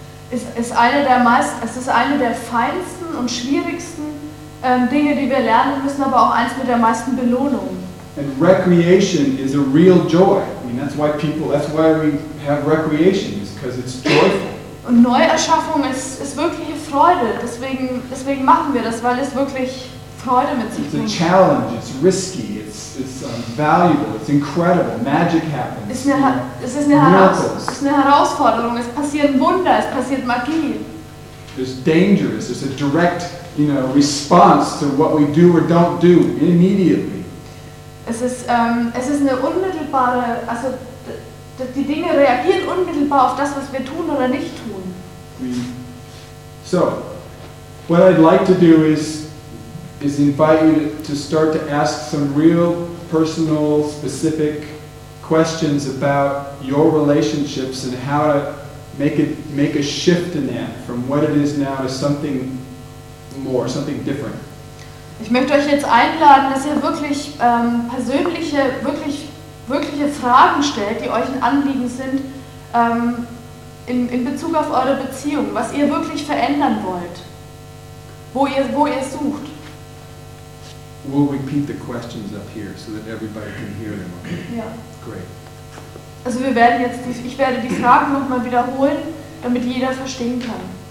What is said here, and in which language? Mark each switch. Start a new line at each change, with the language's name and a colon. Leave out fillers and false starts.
German: Es ist eine der feinsten und schwierigsten Dinge, die wir lernen müssen, aber auch eins mit der meisten Belohnung.
English: And recreation is a real joy. I mean, that's why we have recreation, is because it's joyful.
German: Und Neuerschaffung ist wirkliche Freude. Deswegen machen wir das, weil es wirklich Freude mit sich bringt.
English: It's a challenge. It's risky. It's valuable. It's incredible. Magic happens.
German: Es ist eine Herausforderung. Es passieren Wunder. Es passiert Magie.
English: It's dangerous. It's a direct, you know, response to what we do or don't do immediately.
German: Es ist eine unmittelbare, also die Dinge reagieren unmittelbar auf das, was wir tun oder nicht tun.
English: So, what I'd like to do is invite you to start to ask some real personal, specific questions about your relationships and how to make a shift in that from what it is now to something more, something different.
German: Ich möchte euch jetzt einladen, dass ihr wirklich persönliche, wirkliche Fragen stellt, die euch ein Anliegen sind in Bezug auf eure Beziehung, was ihr wirklich verändern wollt, wo ihr sucht.
English: We'll repeat the questions up here so that everybody can hear them. Okay? Yeah. Great.
German: Also wir werden jetzt ich werde die Fragen noch mal wiederholen, damit jeder verstehen kann.